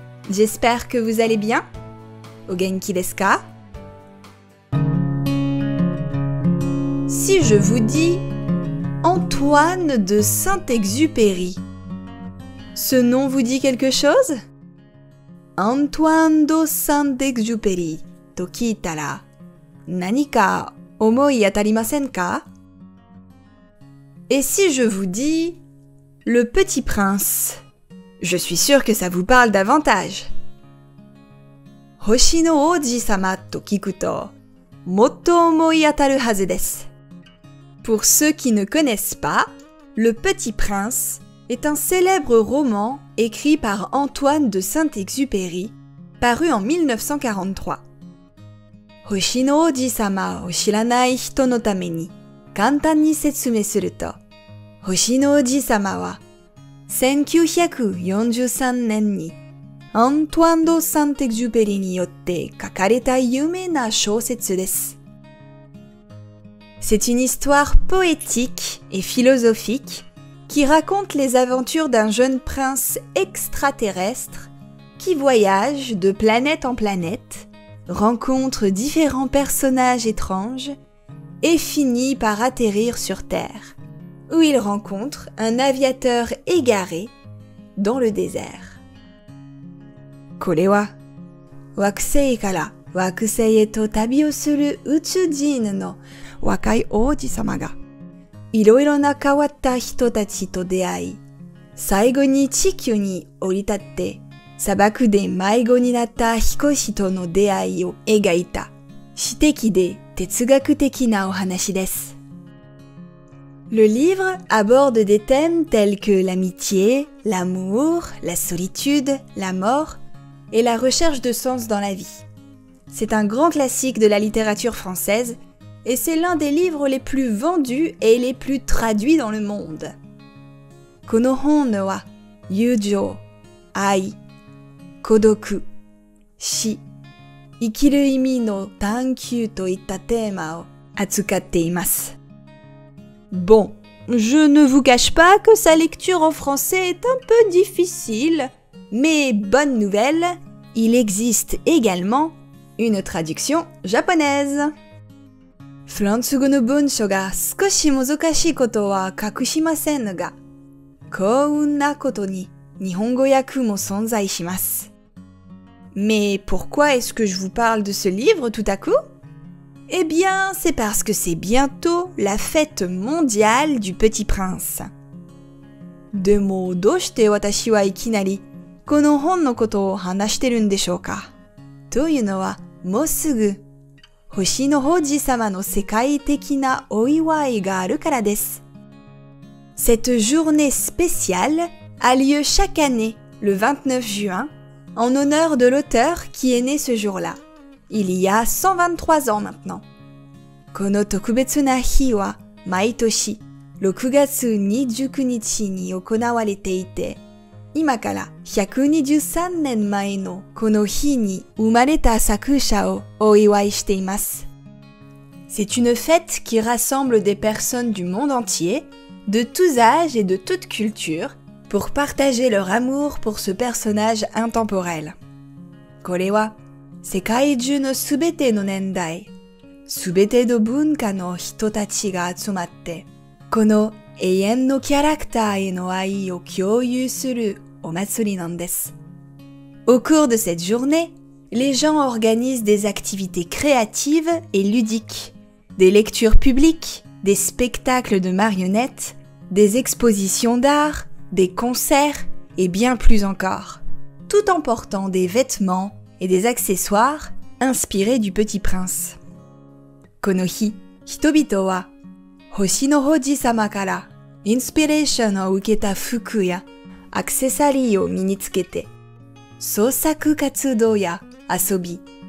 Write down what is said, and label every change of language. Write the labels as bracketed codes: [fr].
[fr] J'espère que vous allez bien. [ja] Ogenki desu ka? [fr] Si je vous dis Antoine de Saint-Exupéry, ce nom vous dit quelque chose? Antoine de Saint-Exupéry. [ja] と聞いたら、何か思い当たりませんか? [fr] Et si je vous dis Le Petit Prince? Je suis sûr que ça vous parle davantage. [ja] 星の王子様と聞くと、もっと思い当たるはずです。 [fr] Pour ceux qui ne connaissent pas, Le Petit Prince est un célèbre roman écrit par Antoine de Saint-Exupéry, paru en 1943. [ja] 星の王子様を知らない人のために簡単に説明すると、星の王子様は1943年にアントワン・ド・サンテ・ジュペリによって書かれた有名な小説です。 [fr] C'est une histoire poétique et philosophique qui raconte les aventures d'un jeune prince extraterrestre qui voyage de planète en planète. Rencontre différents personnages étranges et finit par atterrir sur Terre, où il rencontre un aviateur égaré dans le désert. [ja] これは、惑星から惑星へと旅をする宇宙人の若い王子様が、いろいろな変わった人たちと出会い、最後に地球に降り立って、砂漠で迷子になった飛行士との出会いを描いた詩的で哲学的なお話です。 [fr] Le livre aborde des thèmes tels que l'amitié, l'amour, la solitude, la mort et la recherche de sens dans la vie. C'est un grand classique de la littérature française et c'est l'un des livres les plus vendus et les plus traduits dans le monde. [ja] この本は、友情、愛、孤独、死、生きる意味の探求といったテーマを扱っています。 [fr] Bon, je ne vous cache pas que sa lecture en français est un peu difficile, mais bonne nouvelle, il existe également une traduction japonaise. [ja] フランス語の文章が少し難しいことは隠しませんが、幸運なことに日本語訳も存在します。 [fr] Mais pourquoi est-ce que je vous parle de ce livre tout à coup? Eh bien, c'est parce que c'est bientôt la fête mondiale du Petit Prince. [ja] でもどうして私はいきなりこの本のことを話してるんでしょうか? というのはもうすぐ星の王子様の世界的なお祝いがあるからです。 [fr] Cette journée spéciale a lieu chaque année le 29 juin. En honneur de l'auteur qui est né ce jour-là, il y a 123 ans maintenant. [ja] この特別な日は毎年6月29日に行われていて、今から123年前のこの日に生まれた作者をお祝いしています。 [fr] C'est une fête qui rassemble des personnes du monde entier, de tous âges et de toute culture,pour partager leur amour pour ce personnage intemporel. [ja] これは世界中のすべての年代、すべての文化の人たちが集まって、この永遠のキャラクターへの愛を共有するお祭りなんです。 [fr] Au cours de cette journée, les gens organisent des activités créatives et ludiques, des lectures publiques, des spectacles de marionnettes, des expositions d'art,des concerts et bien plus encore, tout en portant des vêtements et des accessoires inspirés du Petit Prince. [ja] この日、人々は星の王子様からインスピレーションを受けた服やアクセサリーを身につけて、創作活動や遊び、